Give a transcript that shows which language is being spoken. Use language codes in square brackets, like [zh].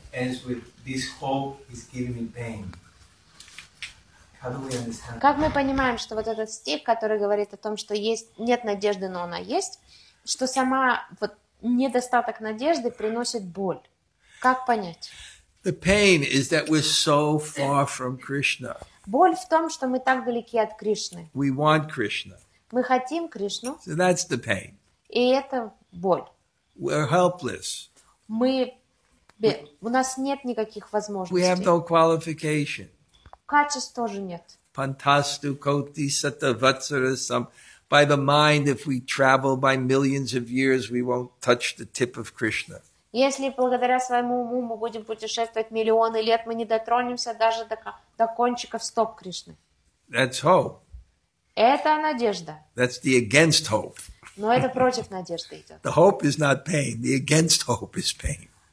[en] ends with this hope is giving me pain. How do we understand? [ru] Как мы понимаем, что вот этот стих, который говорит о том, что есть, нет надежды, но она есть, что сама вот недостаток надежды приносит боль? Как понять? [en] The pain is that we're so far from Krishna. [ru] Боль в том, что мы так далеки от Кришны. [en] We want Krishna. [ru] Мы хотим Кришну. [en] So that's the pain. [ru] И это боль. [en] We're helpless. [ru] Мы у нас нет никаких возможностей. [en] We have no qualification. [ru] Качеств тоже нет. [sa] Pantastu koti satavatsarasam. [en] By the mind, if we travel by millions of years, we won't touch the tip of Krishna. [ru] Если благодаря своему уму мы будем путешествовать миллионы лет, мы не дотронемся даже до кончиков стоп Кришны. [en] That's hope. [ru] Это надежда. [en] That's the against hope. [ru] Но это против надежды идет. [en] The hope is not pain. The against hope is pain.